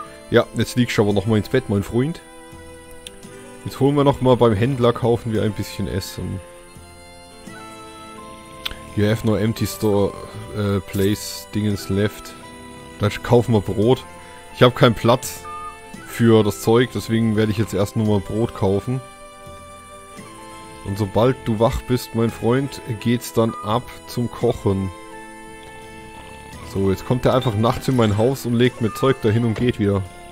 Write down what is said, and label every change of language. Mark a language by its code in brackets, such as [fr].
[de] Ja, jetzt lieg ich aber noch mal ins Bett, mein Freund. Jetzt holen wir noch mal beim Händler, kaufen wir ein bisschen Essen. [en] You have no empty store place dingens left. [de] Dann kaufen wir Brot. Ich habe keinen Platz für das Zeug, deswegen werde ich jetzt erst nur mal Brot kaufen. Und sobald du wach bist, mein Freund, geht's dann ab zum Kochen. So, jetzt kommt er einfach nachts in mein Haus und legt mir Zeug dahin und geht wieder.